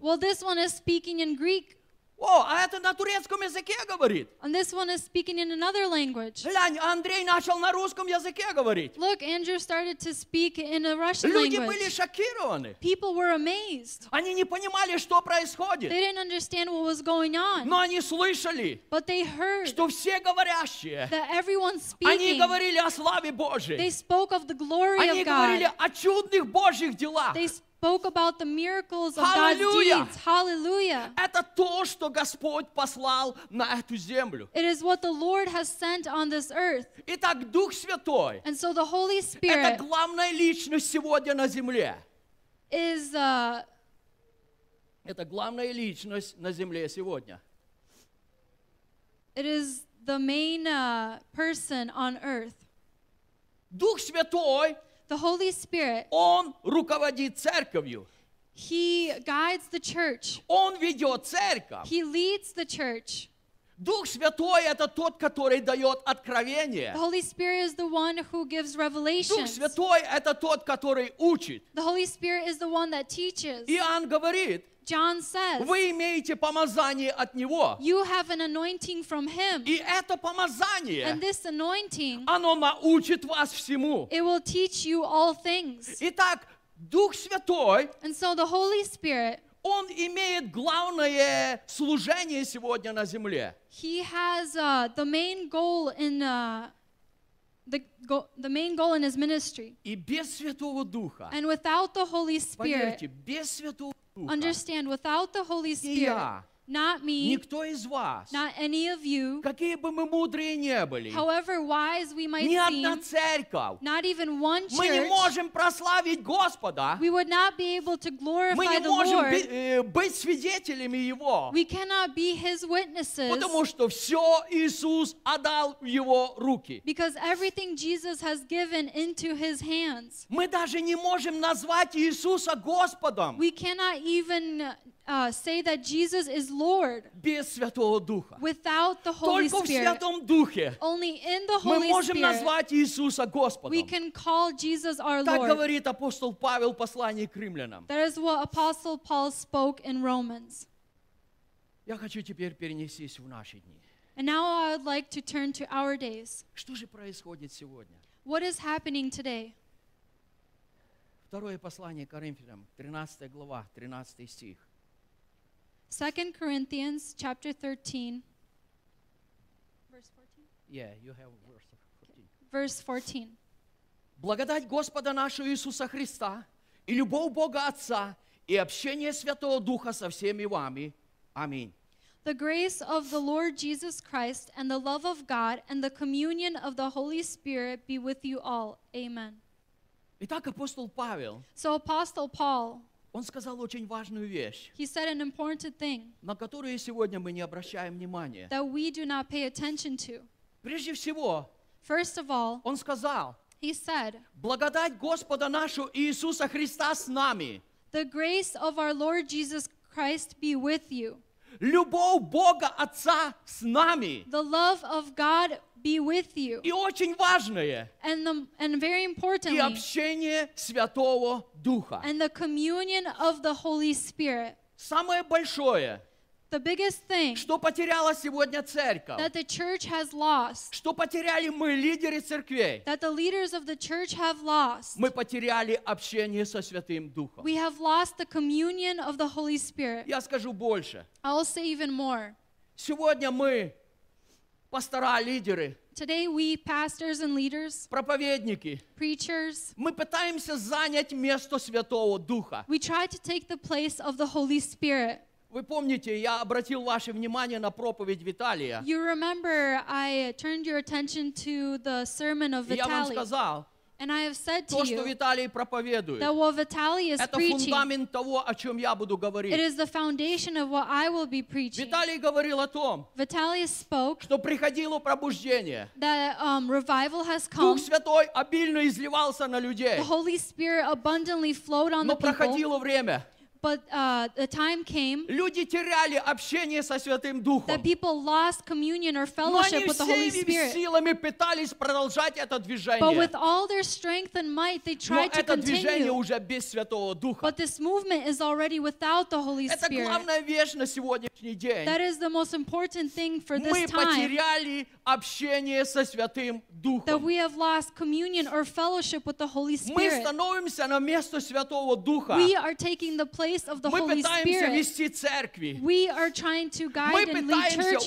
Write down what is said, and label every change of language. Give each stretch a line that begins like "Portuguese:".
English: Well, this one is speaking in Greek.
Russian: А это на турецком языке говорит.
English: And this one is speaking in another language.
Russian: Глянь, Андрей начал на русском языке говорить.
English: Look, Andrew started to speak in a Russian
Russian: Люди
English: language.
Russian: Люди были шокированы.
English: People were amazed.
Russian: Они не понимали, что происходит.
English: They didn't understand what was going on.
Russian: Но они слышали.
English: But they heard.
Russian: Что все говорящие.
English: That everyone speaking.
Russian: Они говорили о славе Божьей.
English: They spoke of the glory
Russian: они
English: of God.
Russian: Они говорили о чудных Божьих делах.
English: They spoke about the miracles of Hallelujah. God's deeds. Hallelujah.
Russian: Это то, что Господь послал на эту землю.
English: It is what the Lord has sent on this earth.
Russian: Итак, Дух Святой.
English: And so the Holy Spirit.
Russian: Это главная личность сегодня на земле.
English: Is
Russian: Это главная личность на земле сегодня.
English: It is the main person on earth.
Russian: Дух Святой.
English: The Holy Spirit.
Russian: Он руководит церковью.
English: He guides the church.
Russian: Он ведет церковь.
English: He leads the church.
Russian: Дух Святой это тот, который дает откровение.
English: The Holy Spirit is the one who gives revelations.
Russian: Дух Святой это тот, который учит.
English: The Holy Spirit is the one that teaches.
Russian: Иоанн говорит.
English: John says.
Russian: Вы имеете помазание от него.
English: You have an anointing from him.
Russian: И это помазание.
English: And this anointing.
Russian: Оно научит вас всему.
English: It will teach you all things.
Russian: Итак, Дух Святой.
English: And so the Holy Spirit.
Russian: Он имеет главное служение сегодня на земле.
English: He has the main goal in the main goal in his ministry.
Russian: И без Святого Духа.
English: And without the Holy Spirit.
Russian: Понимаете, без Святого Духа.
English: Understand, without the Holy Spirit.
Russian: Я,
English: not me.
Russian: Никто из вас.
English: Not any of you.
Russian: Какие бы мы мудрые не были.
English: However wise we might
Russian: ни одна церковь.
English: Not even one church.
Russian: Мы не можем прославить Господа.
English: We would not be able to glorify the Lord.
Russian: Мы не можем быть свидетелями Его.
English: We cannot be His witnesses.
Russian: Потому что все Иисус отдал в Его руки.
English: Because everything Jesus has given into His hands.
Russian: Мы даже не можем назвать Иисуса Господом.
English: We cannot even say that Jesus is Lord
Russian: без Святого Духа.
English: Without the Holy
Russian: Только
English: Spirit.
Russian: В Святом Духе
English: only in the Holy
Russian: мы можем
English: Spirit
Russian: назвать Иисуса Господом.
English: We can call Jesus our
Russian: так
English: Lord.
Russian: Так говорит апостол Павел в послании к римлянам.
English: That is what Apostle Paul spoke in Romans.
Russian: Я хочу теперь перенестись в наши дни.
English: And now I would like to turn to our days.
Russian: Что же происходит сегодня?
English: What is happening today?
Russian: Второе послание к Коринфянам, 13 глава, 13 стих.
English: 2 Corinthians chapter 13, verse 14. Yeah, you have verse 14. Verse 14.
Russian: Благодать Господа нашего Иисуса Христа и любовь Бога Отца и общение Святого Духа со всеми вами. Аминь.
English: The grace of the Lord Jesus Christ and the love of God and the communion of the Holy Spirit be with you all. Amen.
Russian: Итак, апостол Павел.
English: So Apostle Paul.
Russian: Он сказал очень важную вещь,
English: He said an important thing,
Russian: на которую сегодня мы не обращаем внимания.
English: That we do not pay attention to.
Russian: Прежде всего,
English: First of all,
Russian: он сказал,
English: He said,
Russian: благодать Господа нашего Иисуса Христа с нами.
English: The grace of our Lord Jesus Christ be with you.
Russian: Любовь Бога Отца с нами.
English: The love of God be with you.
Russian: И очень важное.
English: And very importantly.
Russian: И общение Святого Духа.
English: And the communion of the Holy Spirit.
Russian: Самое большое.
English: The biggest thing.
Russian: Что потеряла сегодня церковь.
English: That the church has lost.
Russian: Что потеряли мы лидеры церквей.
English: That the leaders of the church have lost.
Russian: Мы потеряли общение со Святым Духом.
English: We have lost the communion of the Holy Spirit.
Russian: Я скажу больше.
English: I'll say even more.
Russian: Сегодня мы пастора, лидеры.
English: Today we pastors and leaders.
Russian: Проповедники.
English: Preachers.
Russian: Мы пытаемся занять место Святого Духа.
English: We try to take the place of the Holy Spirit.
Russian: Вы помните, я обратил ваше внимание на проповедь Виталия.
English: You remember I turned your attention to the sermon of Vitaly.
Russian: Я вам сказал.
English: And I have said
Russian: то, что Виталий проповедует.
English: That what Vitaly is
Russian: это
English: preaching.
Russian: Это фундамент того, о чем я буду говорить.
English: It is the foundation of what I will be preaching.
Russian: Виталий говорил о том.
English: Vitaly spoke.
Russian: Что приходило пробуждение.
English: That revival has come.
Russian: Дух Святой обильно изливался на людей.
English: The Holy Spirit abundantly flowed on
Russian: Но
English: the people.
Russian: Но проходило время.
English: But the time came.
Russian: Люди теряли общение со Святым Духом.
English: That people lost communion or fellowship with the Holy Spirit.
Russian: Но они силами пытались продолжать это движение.
English: But with all their strength and might, they tried to continue.
Russian: Но это движение уже без Святого Духа.
English: But this movement is already without the Holy Spirit.
Russian: Это главная вещь на сегодняшний день.
English: That is the most important thing for this time.
Russian: Мы потеряли общение со Святым Духом.
English: That we have lost communion or fellowship with the Holy Spirit.
Russian: Мы становимся на место Святого Духа.
English: We are taking the place of the Holy Spirit. We are trying to guide and lead churches.